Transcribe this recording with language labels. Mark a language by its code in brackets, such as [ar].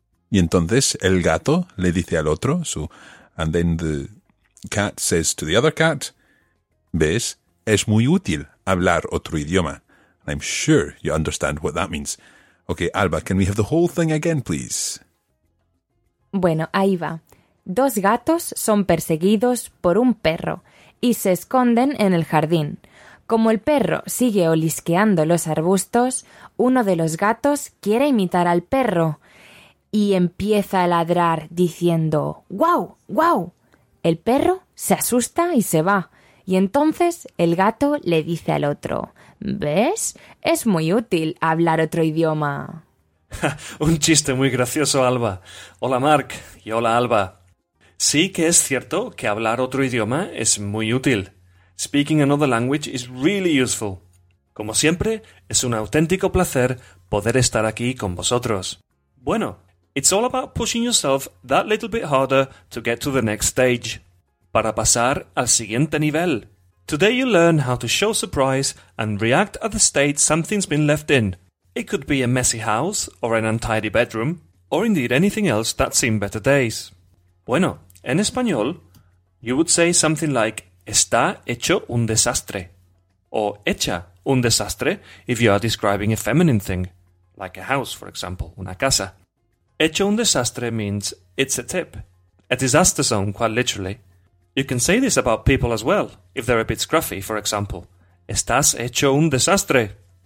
[es] Y entonces el gato le dice al otro. [en] So, and then the cat says to the other cat, [es] ¿ves? Es muy útil hablar otro idioma. [en] I'm sure you understand what that means. Okay, Alba, can we have the whole thing again, please? [es] Bueno, ahí va. Dos gatos son perseguidos por un perro y se esconden en el jardín. Como el perro sigue olisqueando los arbustos, uno de los gatos quiere imitar al perro y empieza a ladrar diciendo ¡guau! ¡Guau! El perro se asusta y se va. Y entonces el gato le dice al otro ¿ves? Es muy útil hablar otro idioma. Un chiste muy gracioso, Alba. Hola, Mark. Y hola, Alba. Sí que es cierto que hablar otro idioma es muy útil. [en] Speaking another language is really useful. [es] Como siempre, es un auténtico placer poder estar aquí con vosotros. [en] Bueno, it's all about pushing yourself that little bit harder to get to the next stage. [es] Para pasar al siguiente nivel. [en] Today you learn how to show surprise and react at the state something's been left in. It could be a messy house or an untidy bedroom, or indeed anything else that's seen better days. Bueno, en español, you would say something like [es] está hecho un desastre, [en] or [es] hecha un desastre [en] if you are describing a feminine thing, like a house, for example, [es] una casa. Hecho un desastre [en] means it's a tip, a disaster zone, quite literally. You can say this about people as well, if they're a bit scruffy, for example. [es] Estás hecho un desastre.